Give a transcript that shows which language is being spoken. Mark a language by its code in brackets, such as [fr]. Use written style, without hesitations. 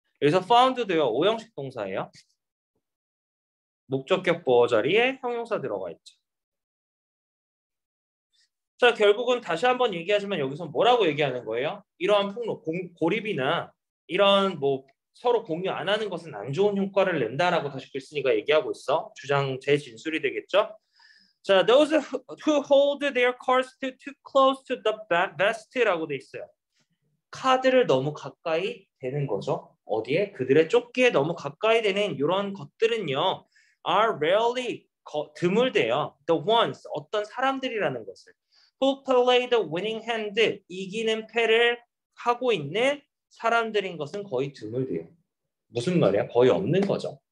[ko] 여기서 found도요, 5형식 동사예요. 목적격 보어 자리에 형용사 들어가 있죠. 자, 결국은 다시 한번 얘기하지만 여기서 뭐라고 얘기하는 거예요? 이러한 폭로, 고립이나 이러한 뭐 서로 공유 안 하는 것은 안 좋은 효과를 낸다라고 다시 글쓴이가 얘기하고 있어. 주장 제 진술이 되겠죠? [en] 자, those who hold their cards too close to the vest라고 [ko] 돼 있어요. 카드를 너무 가까이 대는 거죠. 어디에? 그들의 조끼에 너무 가까이 대는 이런 것들은요, [en] are rarely [ko] 드물대요. The ones, 어떤 사람들이라는 것을. [en] Who play the winning hand, [ko] 이기는 패를 하고 있는 사람들인 것은 거의 드물대요. 무슨 말이야? 거의 없는 거죠.